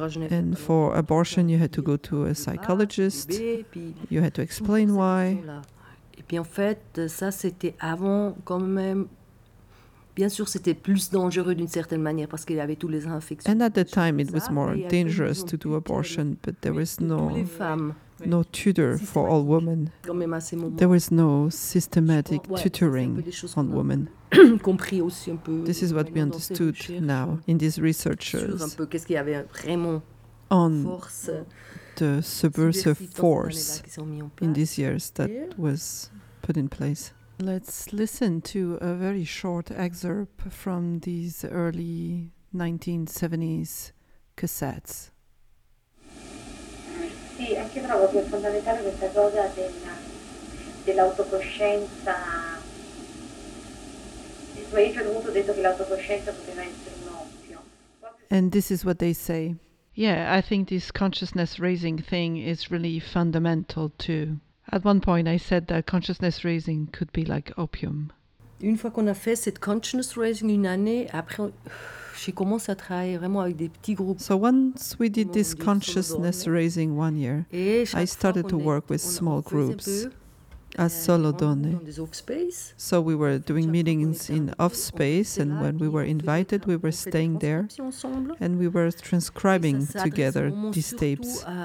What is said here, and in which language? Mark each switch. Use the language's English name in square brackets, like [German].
[English] And for abortion, you had to go to a psychologist. You had to explain why. [French] Et puis en fait, ça c'était avant quand même Bien sûr, c'était plus dangereux d'une certaine manière parce qu'il y avait toutes les infections. [English] And at the time, it was more dangerous to do abortion, but there was no tutor for all women. There was no systematic tutoring on women. [French] Compris aussi un peu. [English] This is what we understood now in these researchers. [French] Un peu qu'est-ce qu'il y avait vraiment [English] on the subversive force in these years that was put in place. Let's listen to a very short excerpt from these early 1970s cassettes. [Italian] Sì, anche trovo che è fondamentale questa cosa dell'autocoscienza. Io ho avuto detto che l'autocoscienza poteva essere un oppio. [English] And this is what they say. Yeah, I think this consciousness-raising thing is really fundamental too. At one point, I said that consciousness-raising could be like opium. [French] Une fois qu'on a fait cette consciousness-raising une année, après, j'ai commencé à travailler vraiment avec des petits groupes. [English] So once we did this consciousness-raising 1 year, I started to work with small groups as [Italian] solo donne. [English] So we were doing meetings in off space, and when we were invited, we were staying there, and we were transcribing together these tapes.